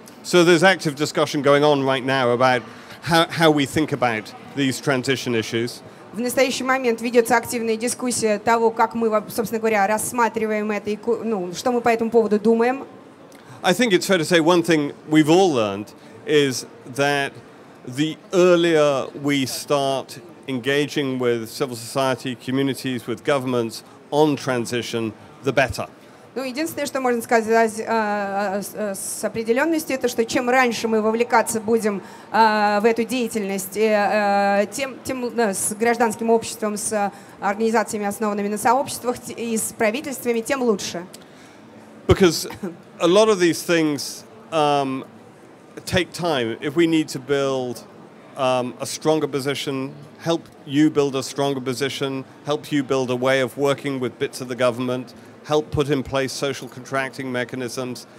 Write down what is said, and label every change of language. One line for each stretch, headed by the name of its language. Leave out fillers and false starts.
English: So there's active discussion going on right now about how we think about these transition issues.
Russian: В настоящий момент ведется активная дискуссия того, как мы, собственно говоря, рассматриваем это, ну, что мы по этому поводу думаем.
English: I think it's fair to say one thing we've all learned is that the earlier we start engaging with civil society, communities, with governments on transition, the better.
Russian: Ну, единственное, что можно сказать с определенностью, это что чем раньше мы вовлекаться будем в эту деятельность, тем с гражданским обществом, с организациями, основанными на сообществах, и с правительствами, тем лучше.
English: Because a lot of these things take time. If we need to build a stronger position, help you build a stronger position, help you build a way of working with bits of the government, help put in place social contracting mechanisms.